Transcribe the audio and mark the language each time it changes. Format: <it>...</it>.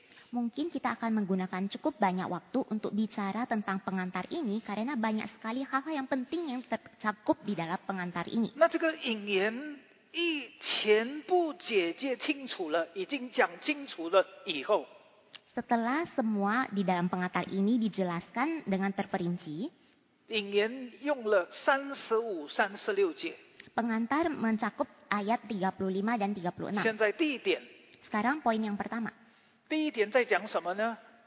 <id>Mungkin kita akan menggunakan cukup banyak waktu untuk bicara tentang pengantar ini karena banyak sekali hal-hal yang penting yang tercakup di dalam pengantar ini. Nah, ini</id> <zh>已经讲清楚了以后,</zh> <id>setelah semua di dalam pengantar ini dijelaskan dengan terperinci,</id> <zh>引言用了35、36节,</zh> <id>pengantar mencakup ayat 35 dan 36.</id> <zh>现在第一点,</zh> <id>sekarang poin yang pertama.</id> <zh>第一点在讲什么呢?</zh>